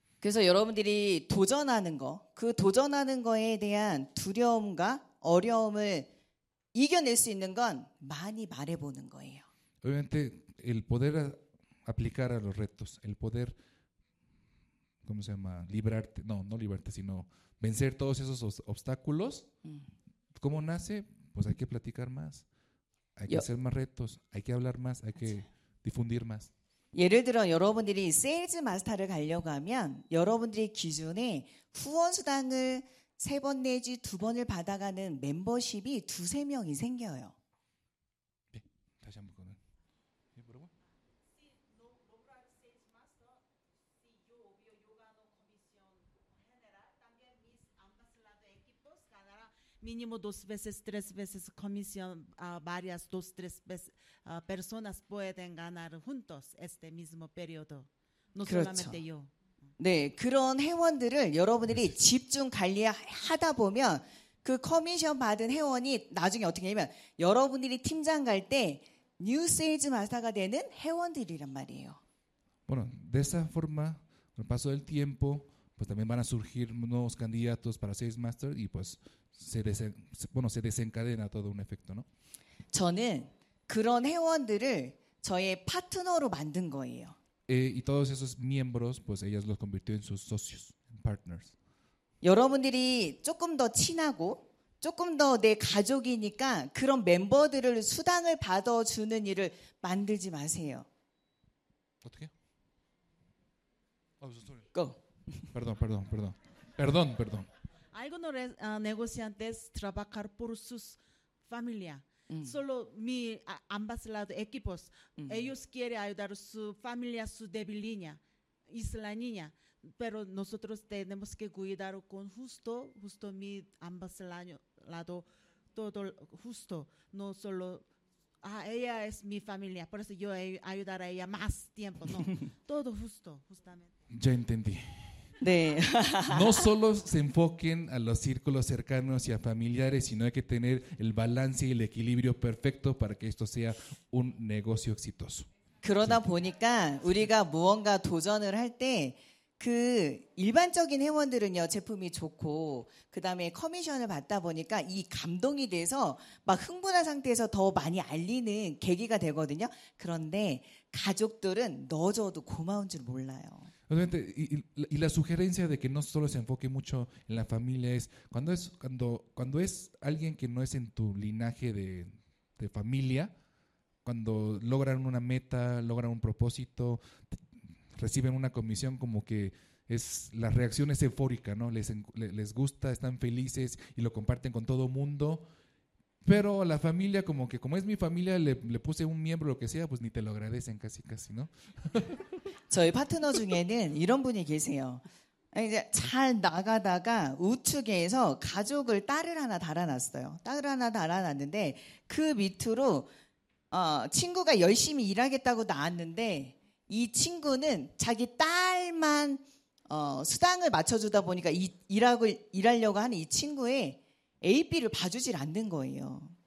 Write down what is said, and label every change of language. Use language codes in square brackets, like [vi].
[ko] 그래서 여러분들이 도전하는 거, 그 도전하는 거에 대한 두려움과 어려움을 이겨낼 수 있는 건 많이 말해보는 거예요. [es] Obviamente, el poder aplicar a los retos, el poder, ¿cómo se llama? Librarte, no librarte, sino vencer todos esos obstáculos. ¿Cómo nace? Pues hay que platicar más, hay que hacer más retos, hay que hablar más, hay que difundir más. [ko] 예를 들어 여러분들이 세일즈 마스터를 가려고 하면 여러분들이 기존에 후원수당을 세 번 내지 두 번을 받아가는 멤버십이 두세 명이 생겨요. 네, 다시 한번 그러면. [es] 미니모 dos veces, tres veces, comisión, varias, dos, tres veces, personas pueden ganar juntos este mismo periodo. No solamente yo. [ko] 네, 그런 회원들을 여러분들이 집중 관리하다 보면 그 커미션 받은 회원이 나중에 어떻게 되면 여러분들이 팀장 갈 때 new sales master가 되는 회원들이란 말이에요. [es] Bueno, de esa forma, con el paso del tiempo, pues también van a surgir nuevos candidatos para sales master y pues se desencadena todo un efecto, ¿no? [ko] 저는 그런 회원들을 저의 파트너로 만든 거예요. [es] Y todos esos miembros, pues ellas los convirtió en sus socios, en partners. [ko] 여러분들이 조금 더 친하고 조금 더 내 가족이니까 그런 멤버들을 수당을 받아 주는 일을 만들지 마세요. 어떻게? 무슨 소리? [en] Go. [es] Perdón. Algunos negociantes trabajar por sus familia. Solo mi ambas lados equipos. Ellos quieren ayudar su familia, su débil niña, isla niña. Pero nosotros tenemos que cuidar con justo mi ambas lado todo justo. No solo ella es mi familia. Por eso yo ayudar a ella más tiempo. No, todo justo, justamente. Ya entendí. [ko] 네. [es] No solo se enfoquen a los círculos cercanos y a familiares, sino hay que tener el balance y el equilibrio perfecto para que esto sea un negocio exitoso. [ko] 그러다 보니까 우리가 무언가 도전을 할 때 그 일반적인 회원들은요 제품이 좋고 그 다음에 커미션을 받다 보니까 이 감동이 돼서 막 흥분한 상태에서 더 많이 알리는 계기가 되거든요. 그런데 가족들은 넣어줘도 고마운 줄 몰라요. [es] Obviamente, y la sugerencia de que no solo se enfoque mucho en la familia es cuando es alguien que no es en tu linaje de familia, cuando logran una meta, logran un propósito, reciben una comisión, como que es la reacción es eufórica, ¿no? Les gusta, están felices y lo comparten con todo mundo. Pero la familia, como que como es mi familia, le puse un miembro, lo que sea, pues ni te lo agradecen casi, ¿no? [ko] 저희 파트너 중에는 이런 분이 계세요. 이제 잘 나가다가 우측에서 가족을 딸을 하나 달아놨어요. 딸을 하나 달아놨는데 그 밑으로 친구가 열심히 일하겠다고 나왔는데 이 친구는 자기 딸만 수당을 맞춰주다 보니까 일하려고 하는 이 친구의 AB를 봐주질 않는 거예요.